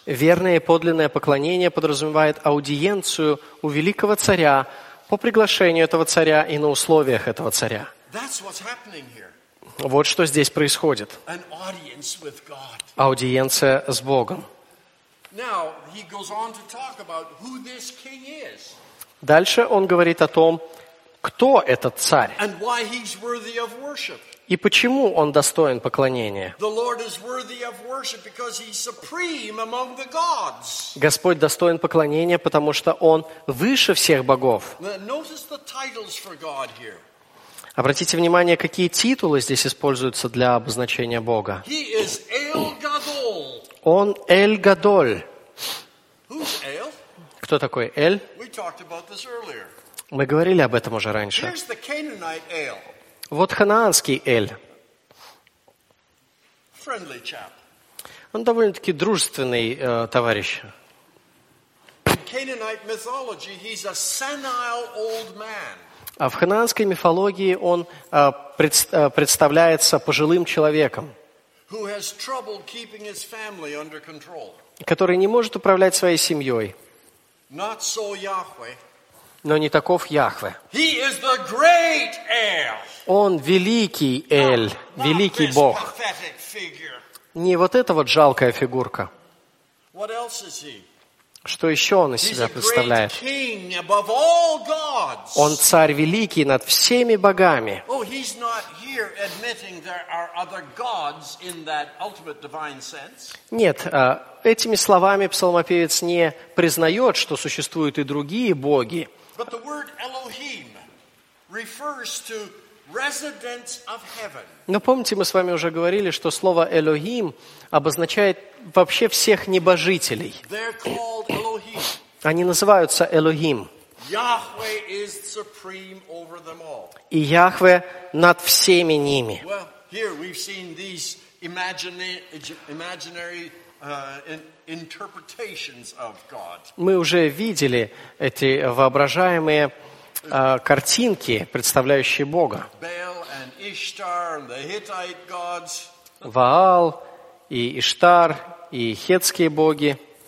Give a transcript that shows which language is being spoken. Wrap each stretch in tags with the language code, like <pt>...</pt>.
<ru>Верное и подлинное поклонение подразумевает аудиенцию у великого царя по приглашению этого царя и на условиях этого царя.</ru> <en>That's what's happening here.</en> <ru>Вот что здесь происходит.</ru> <en>An audience with God.</en> <ru>Аудиенция с Богом.</ru> <en>Now he goes on to talk about who this king is.</en> <ru>Дальше он говорит о том, кто этот царь?</ru> <en>And why he's worthy of worship.</en> <ru>И почему он достоин поклонения?</ru> <en>The Lord is worthy of worship because he's supreme among the gods.</en> <ru>Господь достоин поклонения, потому что он выше всех богов.</ru> <en>Notice the titles for God here.</en> <ru>Обратите внимание, какие титулы здесь используются для обозначения Бога.</ru> <en>He is El-Gadol.</en> <ru>Он Эль-Гадоль.</ru> <en>Who's El?</en> <ru>Кто такой Эль?</ru> <en>We talked about this earlier.</en> <ru>Мы говорили об этом уже раньше.</ru> <en>Here's the Canaanite ale.</en> <ru>Вот ханаанский эль.</ru> <en>Friendly chap.</en> <ru>Он довольно-таки дружественный товарищ.</ru> <en>In Canaanite mythology, he's a senile old man.</en> <ru>А в ханаанской мифологии он представляется пожилым человеком,</ru> <en>who has trouble keeping his family under control.</en> <ru>Который не может управлять своей семьей.</ru> <en>Not so Yahweh.</en> <ru>Но не таков Яхве.</ru> <en>He is the great El.</en> <ru>Он великий Эль,</ru> <en>not,</en> <ru>великий</ru> <en>not</en> <ru>Бог.</ru> <en>Pathetic figure.</en> <ru>Не вот эта вот жалкая фигурка.</ru> <en>What else is he?</en> <ru>Что еще он из</ru> <en>He's</en> <ru>себя представляет?</ru> <en>A great king above all gods.</en> <ru>Он царь великий над всеми богами.</ru> <en>Oh, he's not here admitting there are other gods in that ultimate divine sense.</en> <ru>Нет, этими словами псалмопевец не признает, что существуют и другие боги.</ru> <en>But the word Elohim refers to residents of heaven.</en> <ru>Но помните, мы с вами уже говорили, что слово Элохим обозначает вообще всех небожителей.</ru> <en>They're called Elohim.</en> <ru>Они называются Элохим.</ru> <en>Yahweh is supreme over them all.</en> <ru>И Яхве над всеми ними.</ru> <en>Well, here we've seen these imaginary interpretations of God.</en> <ru>Мы уже видели эти воображаемые картинки, представляющие Бога.</ru> <en>Baal and Ishtar and the Hittite gods.</en> <ru>Ваал и Иштар и хеттские боги.</ru>